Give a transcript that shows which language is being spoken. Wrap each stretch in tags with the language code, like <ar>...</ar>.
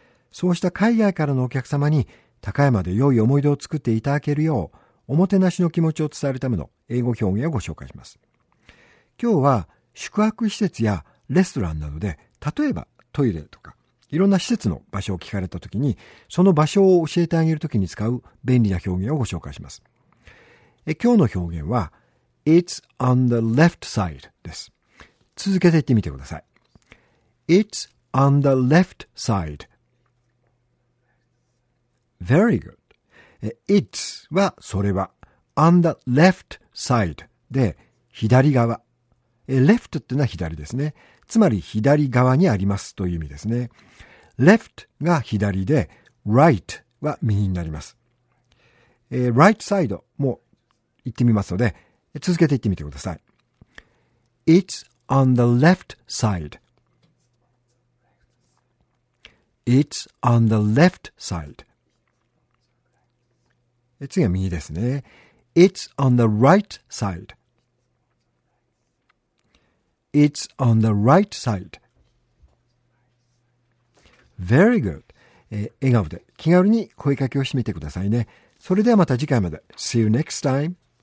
<ja>そうした海外からのお客様に高山で良い思い出を作っていただけるよう、おもてなしの気持ちを伝えるための英語表現をご紹介します。今日は宿泊施設やレストランなどで、例えばトイレとか、いろんな施設の場所を聞かれたときに、その場所を教えてあげるときに使う便利な表現をご紹介します。今日の表現は、</ja> <en>It's on the left side</en> <ja>です。続けて言ってみてください。</ja> <en>It's on the left side. Very good.</en> <ja>It's はそれは、</ja> <en>on the left side</en> <ja>で、左側。 Left ってのは左ですね。つまり左側にありますという意味ですね。 left が左で、right は右になります。 right side も言ってみますので、続けて言ってみてください。</ja> <en>It's on the left side.It's on the left side.</en> <ja>次は右ですね。</ja> <en>It's on the right side.It's on the right side. Very good.</en> <ja>笑顔で気軽に声かけをしてみてくださいね。それではまた次回まで。</ja> <en>See you next time.</en>